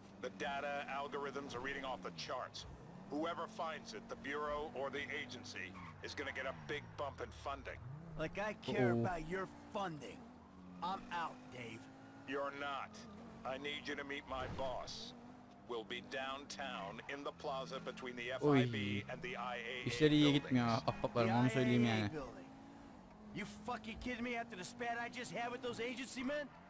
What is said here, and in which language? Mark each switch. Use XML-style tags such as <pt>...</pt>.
<en>The data algorithms are reading off the charts. Whoever finds it, the bureau or the agency, is gonna get a big bump in funding. Like I care about your funding. I'm out, Dave. You're not. I need you to meet my boss. We'll be downtown in the plaza between the FIB and the IAA buildings.</en> <tr>İşleri iyi gitmiyor ahbaplarım, onu söyleyeyim yani.</tr> <en>You fucking kidding me after the spat I just had with those agency men?</en>